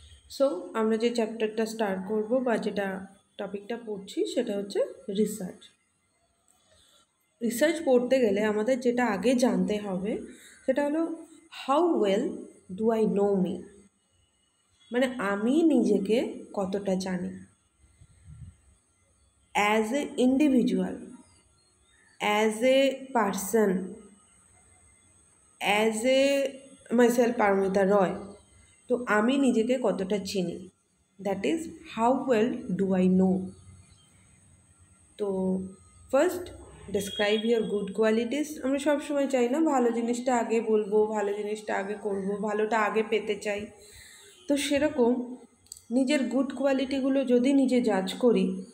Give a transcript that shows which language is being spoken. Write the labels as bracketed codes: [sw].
[bn] So আমরা যে চ্যাপ্টারটা স্টার্ট করব বা যেটা টপিকটা পড়ছি সেটা হচ্ছে রিসার্চ রিসার্চ পড়তে গেলে আমাদের যেটা আগে জানতে হবে সেটা হলো [en] How well Do I know me? [bn] মানে আমি নিজেকে কতটা জানি [en] As a individual, as a person, as a myself Paramita Roy, [bn] তো আমি নিজেকে কতটা চিনি [en] That is how well do I know? [bn] তো [en] first describe your good qualities [bn] আমরা সবসময় চাই না ভালো জিনিসটা আগে বলবো ভালো জিনিসটা আগে করবো ভালোটা আগে পেতে চাই তো সেরকম নিজের গুড কোয়ালিটিগুলো যদি নিজে জাজ করি